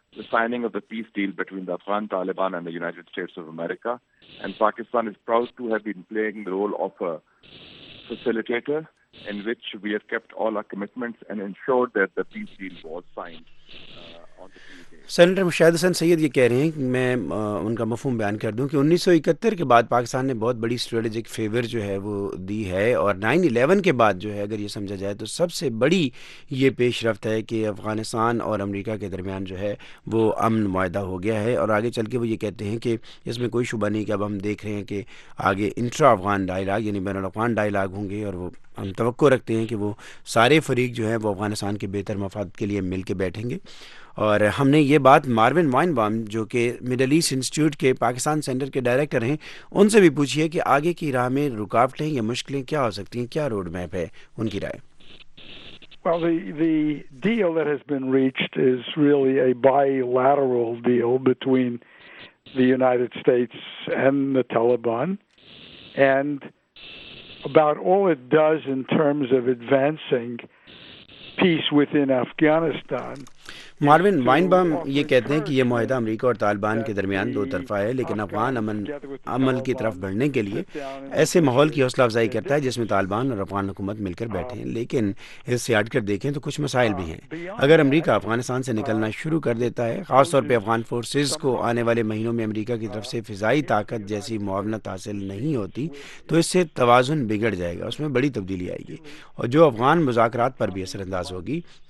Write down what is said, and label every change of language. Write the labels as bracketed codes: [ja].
[en] The signing of the peace deal between the Afghan Taliban and the United States of America, and Pakistan is proud to have been playing the role of a facilitator in which we have kept all our commitments and ensured that the peace deal was signed. [ur] Senator Mushahid حسین سید یہ کہہ رہے ہیں, میں ان کا مفہوم بیان کر دوں کہ 1971 کے بعد پاکستان نے بہت بڑی اسٹریٹجک فیور جو ہے وہ دی ہے, اور 9/11 کے بعد جو ہے اگر یہ سمجھا جائے تو سب سے بڑی یہ پیش رفت ہے کہ افغانستان اور امریکہ کے درمیان جو ہے وہ امن معاہدہ ہو گیا ہے. اور آگے چل کے وہ یہ کہتے ہیں کہ اس میں کوئی شبہ نہیں کہ اب ہم دیکھ رہے ہیں کہ آگے انٹرا افغان ڈائیلاگ یعنی بین الاقوام ڈائیلاگ ہوں گے, اور وہ ہم توقع رکھتے ہیں کہ وہ سارے فریق جو ہیں وہ افغانستان کے بہتر مفاد کے لیے مل کے بیٹھیں گے. اور ہم نے یہ بات ماروین وائن بام جو کہ مڈل ایسٹ انسٹیٹیوٹ کے پاکستان سینٹر کے ڈائریکٹر ہیں ان سے بھی پوچھی ہے کہ آگے کی راہ میں رکاوٹیں یا مشکلیں کیا ہو سکتی ہیں, کیا روڈ میپ ہے ان کی رائے. [en] Well, the deal that has been reached is really a bilateral deal between the United States and the Taliban, and about all it does in terms of advancing peace within Afghanistan. [ur] ماروین وائن بام یہ کہتے ہیں کہ یہ معاہدہ امریکہ اور طالبان کے درمیان دو طرفہ ہے, لیکن افغان امن عمل کی طرف بڑھنے کے لیے ایسے ماحول کی حوصلہ افزائی کرتا ہے جس میں طالبان اور افغان حکومت مل کر بیٹھے ہیں. لیکن اس سے ہٹ کر دیکھیں تو کچھ مسائل بھی ہیں. اگر امریکہ افغانستان سے نکلنا شروع کر دیتا ہے, خاص طور پہ افغان فورسز کو آنے والے مہینوں میں امریکہ کی طرف سے فضائی طاقت جیسی معاونت حاصل نہیں ہوتی, تو اس سے توازن بگڑ جائے گا, اس میں بڑی تبدیلی آئے گی اور جو افغان مذاکرات پر بھی اثر انداز ہوگی.